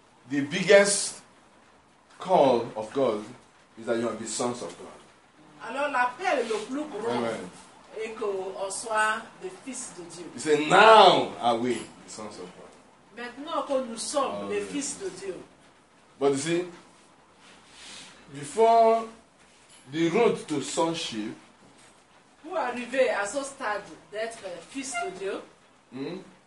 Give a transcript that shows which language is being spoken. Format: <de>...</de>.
<en>The biggest call of God is that you are the sons of God.</en> <fr>Alors l'appel le plus grand est qu'on soit des fils de Dieu.</fr> <en>He said, now are we the sons of God.</en> <fr>Maintenant que nous sommes les fils de Dieu.</fr> <en>But you see, before the road to sonship,</en> <fr>pour arriver à ce stade d'être fils de Dieu,</fr>